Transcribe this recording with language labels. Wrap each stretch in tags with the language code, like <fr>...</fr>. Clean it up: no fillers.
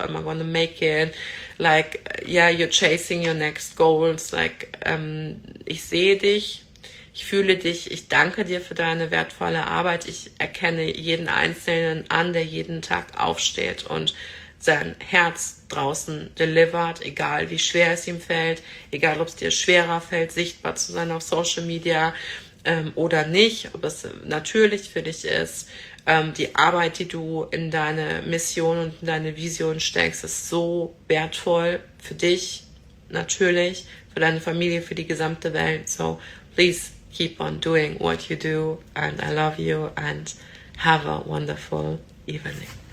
<en>Am I gonna make it? You're chasing your next goals.</en> <de>Ich sehe dich. Ich fühle dich, ich danke dir für deine wertvolle Arbeit. Ich erkenne jeden Einzelnen an, der jeden Tag aufsteht und sein Herz draußen delivert, egal wie schwer es ihm fällt, egal ob es dir schwerer fällt, sichtbar zu sein auf Social Media oder nicht, ob es natürlich für dich ist. Die Arbeit, die du in deine Mission und in deine Vision steckst, ist so wertvoll für dich, natürlich, für deine Familie, für die gesamte Welt.</de> <en>So, please keep on doing what you do, and I love you, and have a wonderful evening.</en>